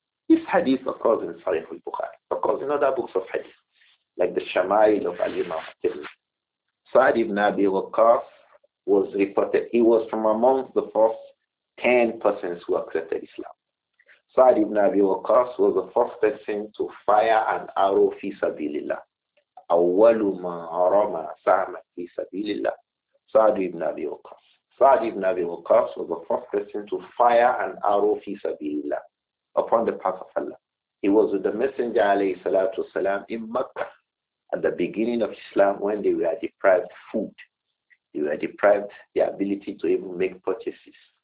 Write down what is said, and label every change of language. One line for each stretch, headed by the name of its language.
English: This hadith occurs in Sahih al-Bukhari, occurs in other books of hadith, like the Shama'il of al-Imam al-Tirmidhi. Sa'd ibn Abi Waqqas was reported, he was from among the first 10 persons who accepted Islam. Sa'd ibn Abi Waqqas was the first person to fire an arrow
Arabic: fi sabilillah. أول ما رمى سهما في سبيل الله سعد بن أبي وقاص.
English: سعد بن أبي وقاص was the first person to fire an arrow
Arabic: في سبيل الله,
English: upon the path of Allah. He was with the Messenger
Arabic: عليه الصلاة والسلام
English: in Mecca at the beginning of Islam, when they were deprived food, they were deprived the ability to even make purchases.